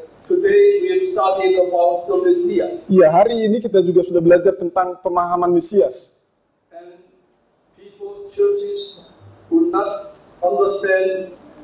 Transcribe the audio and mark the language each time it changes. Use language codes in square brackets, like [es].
[en] Today we have studied about the Messiah. [id] Iya, hari ini kita juga sudah belajar tentang pemahaman Mesias. [en] And people, churches, would not understand.